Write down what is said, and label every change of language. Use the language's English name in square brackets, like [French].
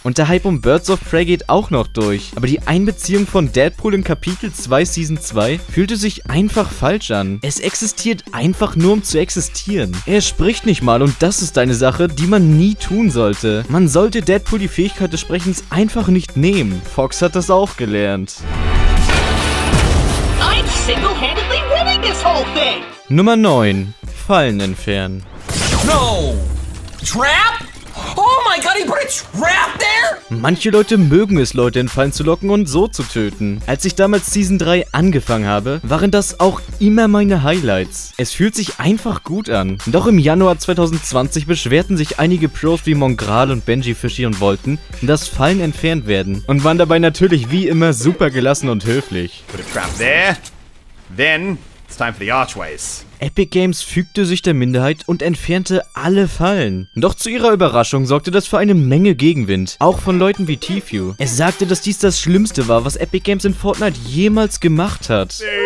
[German] Und der Hype um Birds of Prey geht auch noch durch. Aber die Einbeziehung von Deadpool in Kapitel 2 Season 2 fühlte sich einfach falsch an. Es existiert einfach nur, um zu existieren. Er spricht nicht mal und das ist eine Sache, die man nie tun sollte. Man sollte Deadpool die Fähigkeit des Sprechens einfach nicht nehmen. Fox hat das auch gelernt. [English] I'm single-handedly winning this whole thing. [German] Nummer 9. Fallen entfernen. [English] No! Trap? Oh my god, he put a trap there? [German] Manche Leute mögen es, Leute in Fallen zu locken und so zu töten. Als ich damals Season 3 angefangen habe, waren das auch immer meine Highlights. Es fühlt sich einfach gut an. Doch im Januar 2020 beschwerten sich einige Pros wie Mongral und Benji Fishy und wollten, dass Fallen entfernt werden. Und waren dabei natürlich wie immer super gelassen und höflich. [English] Put a trap there. Then it's time for the archways. [German] Epic Games fügte sich der Minderheit und entfernte alle Fallen. Doch zu ihrer Überraschung sorgte das für eine Menge Gegenwind, auch von Leuten wie Tfue. Er sagte, dass dies das Schlimmste war, was Epic Games in Fortnite jemals gemacht hat.